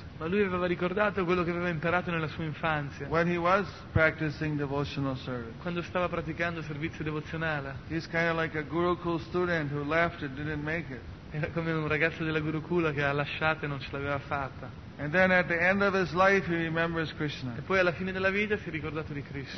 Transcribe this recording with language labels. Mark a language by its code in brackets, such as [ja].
[it] Ma lui aveva ricordato quello che aveva imparato nella sua infanzia. [en] When he was practicing devotional service. [it] Quando stava praticando servizio devozionale. [en] He's kind of like a Gurukul student who left and didn't make it. [it] Era come un ragazzo della Gurukula che ha lasciato e non ce l'aveva fatta. [en] And then at the end of his life he remembers Krishna. [it] E poi alla fine della vita si è ricordato di Krishna.